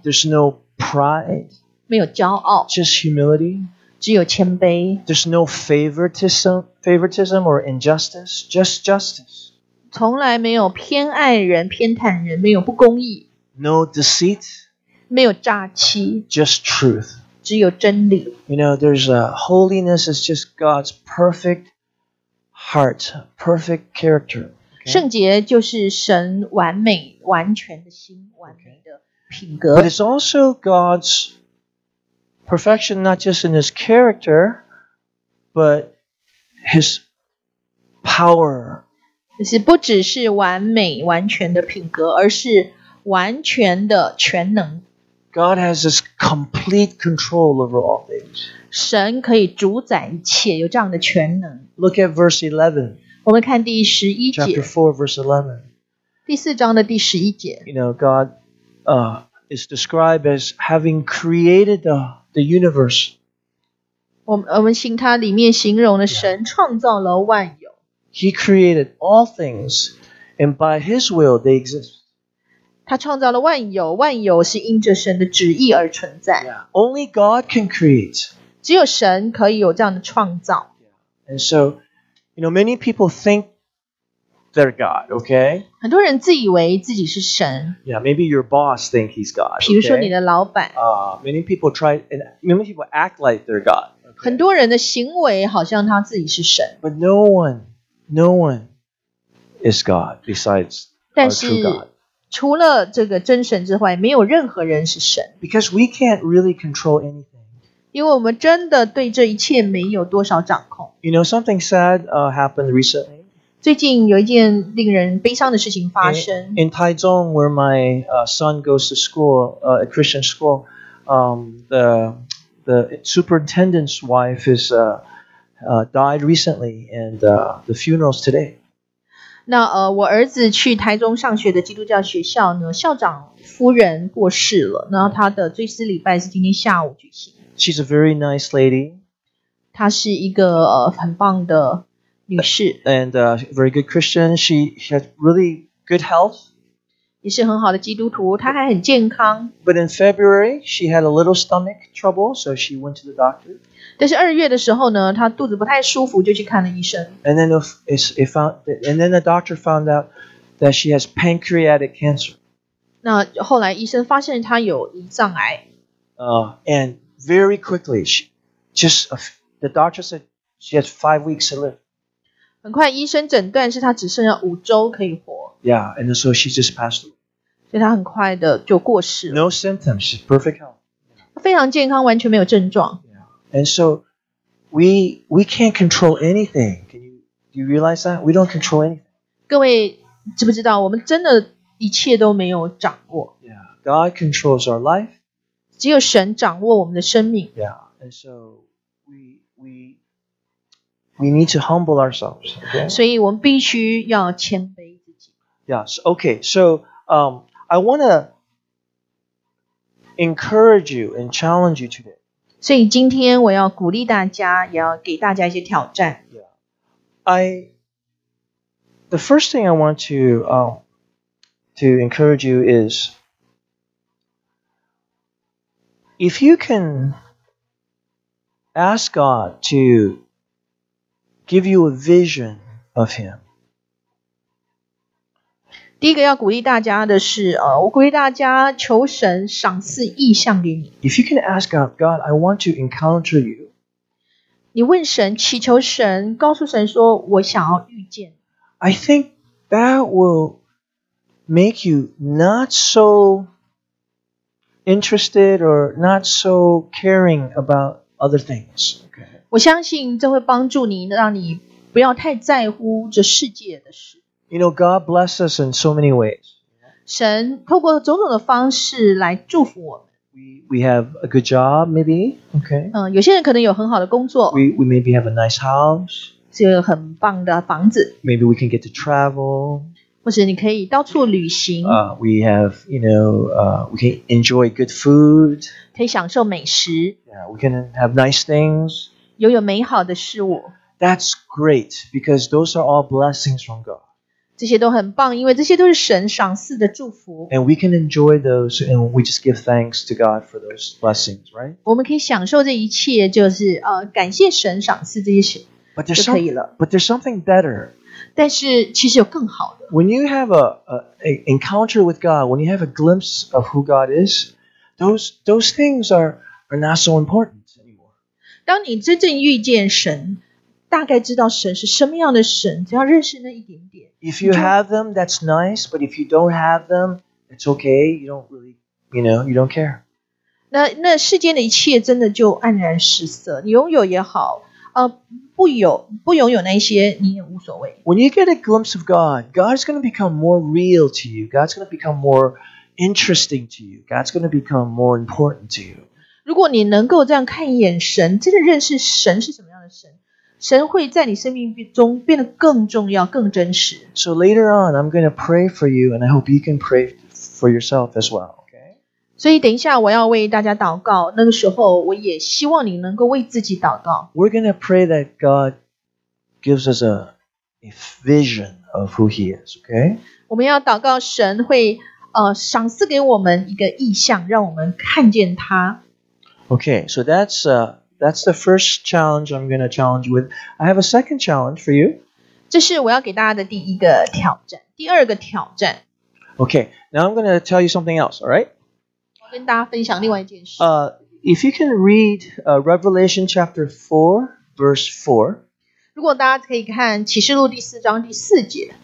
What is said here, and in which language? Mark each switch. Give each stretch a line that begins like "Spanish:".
English: There's no pride.
Chinese: 没有骄傲。
English: Just humility.
Chinese: 只有谦卑。
English: There's no favoritism or injustice, just justice.
Chinese: 从来没有偏爱人、偏袒人，没有不公义。
English: No deceit.
Chinese: 没有诈欺。
English: Just truth.
Chinese: 只有真理。
English: You know, there's a holiness is just God's perfect heart, perfect character.、Okay?
Chinese: 圣洁就是神完美、完全的心、完美的品格。
English: But it's also God'sPerfection not just in his character, but his power.
Chinese: 不只是完美完全的品格，而是完全的全能。
English: God has this complete control over all things.
Chinese: 神可以主宰一切，有这样的全能。
English: Look at verse 11.
Chinese: 我们看第十一节。
English: Chapter 4, verse 11.
Chinese: 第四章的第十一节。
English: You know, God, is described as having created the universe.
Chinese: 我们行他里面形容的神创造了万有。
English: He created all things, and by his will they exist.
Chinese: 他创造了万有，万有是因着神的旨意而存在。
English: Yeah. Only God can create.
Chinese: 只有神可以有这样的创造。
English: And so You know, many people think they're God, okay?
Chinese: 很多人自以为自己是神。
English: Yeah, maybe your boss think he's God.
Chinese: 比如说你的老板。
English: Many people try, and many people act like they're God. Okay?
Chinese: 很多人的行为好像他自己是神。
English: But no one, no one is God besides our true God.
Chinese: 除了这个真神之外，没有任何人是神。
English: Because we can't really control anything.
Chinese: 因为我们真的对这一切没有多少掌控。
English: You know, something sad happened recently.
Chinese: 最近有一件令人悲伤的事情发生。
English: In Taichung, where my son goes to school, a Christian school, the superintendent's wife is died recently, and the funeral's today.
Chinese: 那我儿子去台中上学的基督教学校呢，校长夫人过世了，然后他的追思礼拜是今天下午举行。
English: She's a very nice lady.
Chinese: 她是一个很棒的女士。
English: And a very good Christian. She has really good health.
Chinese: 也是很好的基督徒，她还很健康。
English: But in February, she had a little stomach trouble, so she went to the doctor.
Chinese: 但是二月的时候呢，她肚子不太舒服，就去看了医生。
English: And then the doctor found out that she has pancreatic cancer.
Chinese: 那后来医生发现她有胰脏癌。
English: And very quickly, the doctor said she has 5 weeks to live.
Chinese: 很快医生诊断是她只剩下五周可以活。
English: Yeah, and so she just passed away.
Chinese: 所以她很快的就过世了。
English: No symptoms, she's perfect health.
Chinese: 非常健康，完全没有症状。
English: And so we can't control anything. Do you realize that? We don't control anything.
Chinese: 各位知不知道我们真的一切都没有掌握。
English: Yeah, God controls our life.
Chinese: 只有神掌握我们的生命。
English: Yeah, and so we need to humble ourselves. Okay?
Chinese: 所以我们必须要谦卑自己。
English: Yes, okay. So I want to encourage you and challenge you today.
Chinese: 所以今天我要鼓励大家，也要给大家一些挑战。
English: Yeah. The first thing I want to encourage you is, if you can ask God to give you a vision of Him.
Chinese: 第一个要鼓励大家的是，我鼓励大家求神赏赐异象给你。
English: If you can ask God, God, I want to encounter you. 你问神，祈求神，告诉神说，我想要遇见。 I think that will make you not so interested or not so caring about other things. Okay.
Chinese: 我相信这会帮助你，让你不要太在乎这世界的事。
English: You know, God bless us in so many ways.
Chinese: 神透过种种的方式来祝福我们。
English: We have a good job, maybe. Okay.
Chinese: 有些人可能有很好的工作。
English: We maybe have a nice house.
Chinese: 是有很棒的房子。
English: Maybe we can get to travel.
Chinese: 或是你可以到处旅行。
English: We have, you know, we can enjoy good food.
Chinese: 可以享受美食。
English: Yeah, we can have nice things.
Chinese: 拥有美好的事物。
English: That's great, because those are all blessings from God.
Chinese: 这些都很棒，因为这些都是神赏赐的祝福。
English: And we can enjoy those, and we just give thanks to God for those blessings, right?
Chinese: 我们可以享受这一切，就是感谢神赏赐这些
English: ，but there's some,
Chinese: 就可以了。
English: But there's something better.
Chinese: 但是其实有更好的。
English: When you have a encounter with God, when you have a glimpse of who God is, those things are not so important anymore.
Chinese: 当你真正遇见神。大概知道神是什么样的神，只要认识那一点点。
English: If you have them, that's nice. But if you don't have them, it's okay. You don't really, you know, you don't care.
Chinese: 那世间的一切真的就黯然失色。你拥有也好，不拥有那些你也无所谓。
English: When you get a glimpse of God, God is going to become more real to you. God's going to become more interesting to you. God's going to become more important to you.
Chinese: 如果你能够这样看一眼神，真的认识神是什么样的神。神会在你生命中变得更重要，更真实。
English: So later on, I'm going to pray for you, and I hope you can pray for yourself as well. Okay.
Chinese: 所以等一下我要为大家祷告，那个时候我也希望你能够为自己祷告。
English: We're going to pray that God gives us a vision of who He is. Okay.
Chinese: 我们要祷告神会赏赐给我们一个异象，让我们看见他。
English: Okay, so that's That's the first challenge I'm going to challenge you with. I have a second challenge for you.
Chinese: 这是我要给大家的第一个挑战，第二个挑战。
English: Okay, now I'm going to tell you something else, all right?
Chinese: 我跟大家分享另外一件事。
English: If you can read Revelation chapter 4, verse 4.
Chinese: 如果大家可以看启示录第四章第四节。